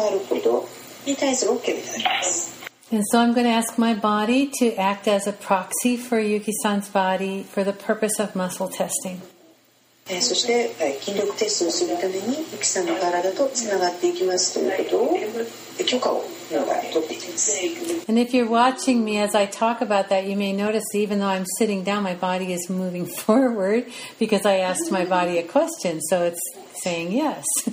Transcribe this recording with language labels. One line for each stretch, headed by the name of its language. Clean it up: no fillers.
English: And so I'm going to ask my body to act as a proxy for Yuki-san's body for the purpose of muscle testing.
Japanese: そして筋力テストをするためにユキさんの体とつながっていきますということを許可を今から取っていきます。
English: And if you're watching me as I talk about that, you may notice even though I'm sitting down, my body is moving forward because I asked my body a question, so it's saying yes.